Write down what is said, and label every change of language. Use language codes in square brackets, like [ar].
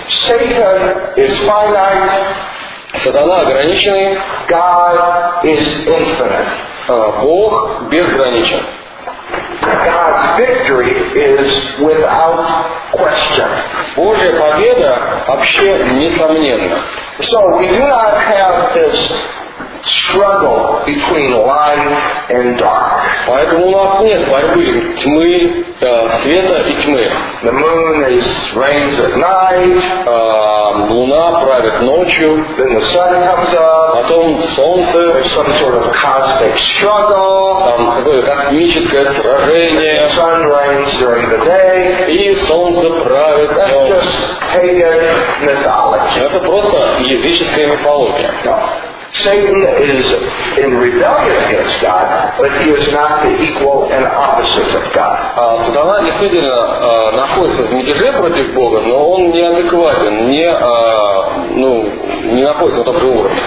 [en] Satan is finite. [ru] Сатана ограниченный. [en] God is infinite. [ru] Бог безграничен. [en] God's victory is without question. [ru] Божья победа вообще несомненна. [en] So we do not have this struggle between light and dark. [ru] Поэтому у нас нет борьбы тьмы, света и тьмы. [en] The moon is reigns at night. [ru] Луна правит ночью. [en] Then the sun comes up. [ru] Потом солнце. [en] There's some sort of cosmic struggle. [ru] Там какое-то космическое сражение. [en] The sun reigns during the day. [ru] И солнце правит днем. [en] That's just pagan mythology. [ru] Это просто языческая мифология. [en] Satan is in rebellion against God, but he is not the equal and opposite of God. [ru] Сатана действительно находится в мятеже против Бога, но он неадекватен, не находится на том же уровне.